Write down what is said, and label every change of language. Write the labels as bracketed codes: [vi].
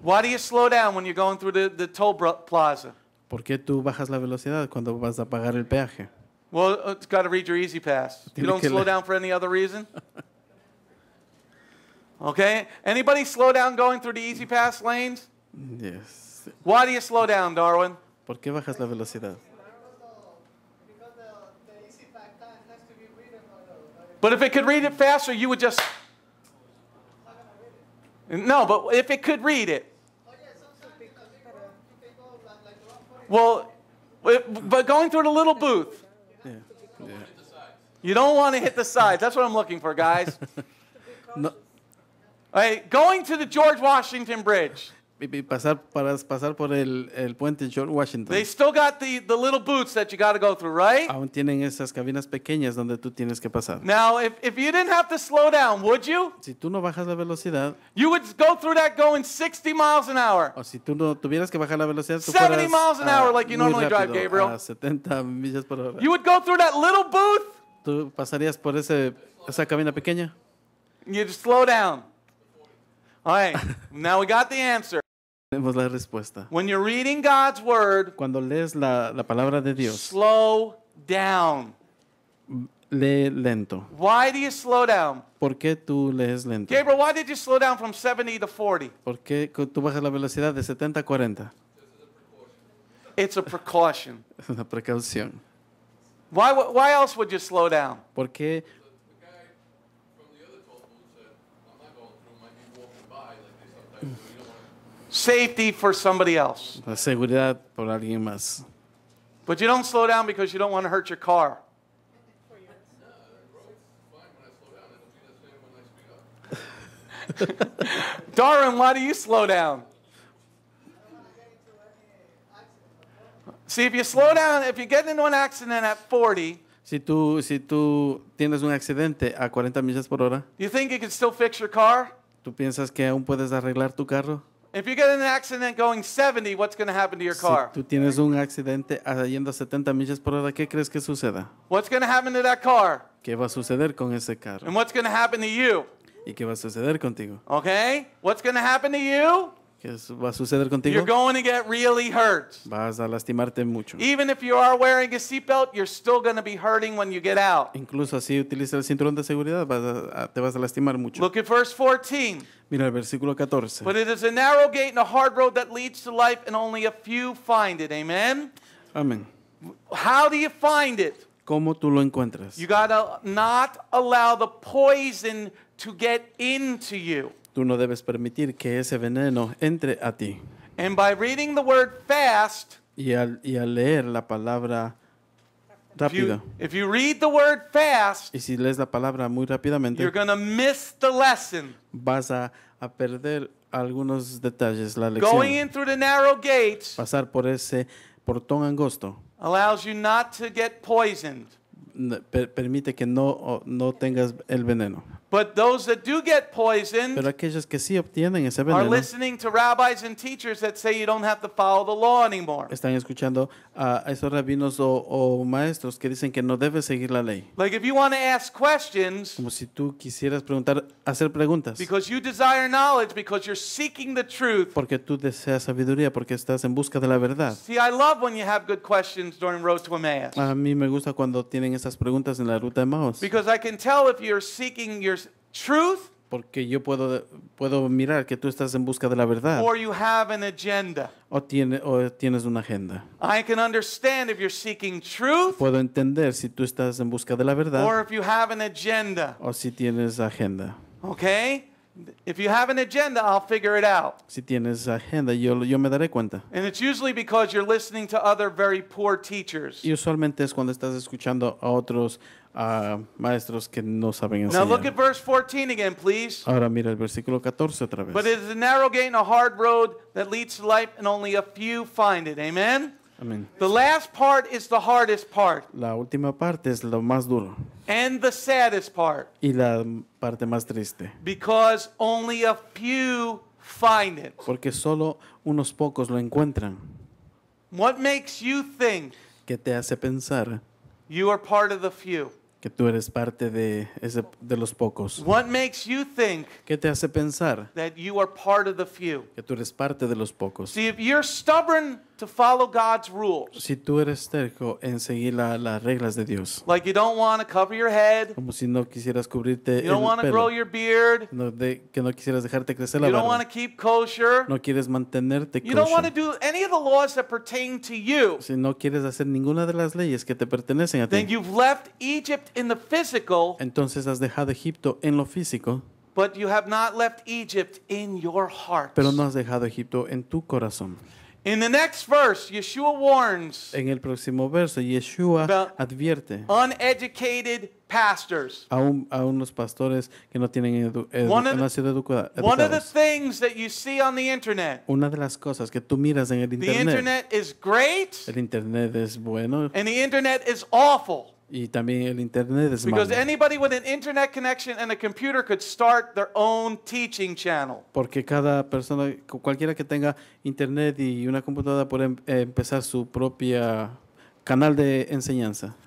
[en] Why do you slow down when you're going through the toll plaza? [es] ¿Por qué tú bajas la velocidad cuando vas a pagar el peaje? [en] Well, it's got to read your easy pass. You don't slow down for any other reason? Okay? Anybody slow down going through the easy pass lanes? Yes. Why do you slow down, Darwin? [es] ¿Por qué bajas la velocidad? [en] But if it could read it faster, you would just... No, but if it could read it... Well, but going through the little booth... Yeah. You don't want to hit the sides. That's what I'm looking for, guys. No. All right, going to the George Washington Bridge. [es] Pasar por el puente George Washington. [en] They still got the little booths that you got to go through, right? [es] Aún tienen esas cabinas pequeñas donde tú tienes que pasar. [en] Now, if you didn't have to slow down, would you? [es] Si tú no bajas la velocidad, [en] you would go through that going 60 miles an hour. [es] O si tú no tuvieras que bajar la velocidad, [en] 70 miles an hour like you normally drive, Gabriel. [es] A 70 millas por hora. [en] You would go through that little booth. [es] Tú pasarías por esa cabina pequeña. [en] You'd slow down. All right, now we got the answer. [es] Tenemos la respuesta. [en] When you're reading God's word, [es] cuando lees la palabra de Dios, [en] slow down. [es] Lee lento. [en] Why do you slow down? [es] ¿Por qué tú lees lento? [en] Gabriel, why did you slow down from 70 to 40? [es] ¿Por qué tú bajas la velocidad de 70 a 40? [en] It's a precaution. [es] Una precaución. [en] Why else would you slow down? [es] ¿Por qué? [en] Safety for somebody else. [es] La seguridad por alguien más. [en] But you don't slow down because you don't want to hurt your car. Darren, why do you slow down? See, if you slow down, if you get into an accident at 40, [es] si tú tienes un accidente a 40 millas por hora, [en] you think you can still fix your car? [es] ¿Tú piensas que aún puedes arreglar tu carro? [en] If you get in an accident going 70, what's going to happen to your car? [es] Si tú tienes un accidente yendo a 70 millas por hora, ¿qué crees que suceda? [en] What's going to happen to that car? [es] ¿Qué va a suceder con ese carro? [en] And what's going to happen to you? [es] ¿Y qué va a suceder contigo? [en] Okay? What's going to happen to you? [es] ¿Qué va a suceder contigo? [en] You're going to get really hurt. [es] Vas a lastimarte mucho. [en] Even if you are wearing a seatbelt, you're still going to be hurting when you get out. [es] Incluso si utilizas el cinturón de seguridad, te vas a lastimar mucho. [en] Look at verse 14. [es] Mira el versículo 14. [en] But it is a narrow gate and a hard road that leads to life, and only a few find it. Amen? Amen. How do you find it? [es] ¿Cómo tú lo encuentras? [en] You got to not allow the poison to get into you. [es] Tú no debes permitir que ese veneno entre a ti. [en] And by reading the word fast, [es] y al leer la palabra rápido. [en] If you read the word fast, [es] y si lees la palabra muy rápidamente, [en] you're going to miss the lesson. [es] Vas a perder algunos detalles, la lección. [en] Going in through the narrow gates, [es] pasar por ese portón angosto, [en] allows you not to get poisoned. [es] Permite que no tengas el veneno. [en] But those that do get poisoned, [es] pero aquellos que sí obtienen ese veneno, [en] are listening to rabbis and teachers that say you don't have to follow the law anymore. [es] Están escuchando a esos rabinos o maestros que dicen que no debes seguir la ley. [en] Like if you want to ask questions, [es] como si tú quisieras preguntar, hacer preguntas, [en] because you desire knowledge, because you're seeking the truth. [es] Porque tú deseas sabiduría, porque estás en busca de la verdad. [en] See, I love when you have good questions during Road to Emmaus. [es] A mí me gusta cuando tienen esas preguntas en la ruta de Emmaus. [en] Because I can tell if you're seeking your truth, [es] porque yo puedo mirar que tú estás en busca de la verdad, [en] or you have an agenda, [es] o tienes una agenda. [en] I can understand if you're seeking truth, [es] puedo entender si tú estás en busca de la verdad, [en] or if you have an agenda, [es] o si tienes agenda. [en] Okay, if you have an agenda, I'll figure it out. [es] Si tienes agenda, yo me daré cuenta. [en] And it's usually because you're listening to other very poor teachers. [es] Y usualmente es cuando estás escuchando a otros maestros que no saben enseñar. [en] Now look at verse 14 again, please. [es] Ahora mira el versículo 14 otra vez. [en] But it is a narrow gate and a hard road that leads to life, and only a few find it. Amen? Amen. The last part is the hardest part. [es] La última parte es lo más duro. [en] And the saddest part. [es] Y la parte más triste. [en] Because only a few find it. [es] Porque solo unos pocos lo encuentran. [en] What makes you think? [es] ¿Qué te hace pensar? [en] You are part of the few. [es] Que tú eres parte de los pocos. [en] What makes you think? [es] ¿Qué te hace pensar? [en] That you are part of the few. [es] Que tú eres parte de los pocos. [en] See, if you're stubborn to follow God's rules. [es] Si tú eres terco en seguir las reglas de Dios. [en] Like you don't want to cover your head. [es] Como si no quisieras cubrirte el pelo. [en] You don't want to grow your beard. [es] Que no quisieras dejarte crecer la barba. [en] You don't want to keep kosher. [es] No quieres mantenerte kosher. [en] You don't want to do any of the laws that pertain to you. [es] Si no quieres hacer ninguna de las leyes que te pertenecen a ti. [en] Then you've left Egypt in the physical. [es] Entonces has dejado Egipto en lo físico. [en] But you have not left Egypt in your heart. [es] Pero no has dejado Egipto en tu corazón. [en] In the next verse, Yeshua warns. [es] En el próximo verso, Yeshua advierte. [en] Uneducated pastors. [es] A unos pastores que no tienen educación. [en] One of the things that you see on the internet. [es] Una de las cosas que tú miras en el internet. [en] The internet is great. [es] El internet es bueno. [en] And the internet is awful. [es] Y también el internet es malo. [en] Because anybody with an internet connection and a computer could start their own teaching channel. [es] Porque cada persona, cualquiera que tenga internet y una computadora, puede empezar su propia canal de enseñanza.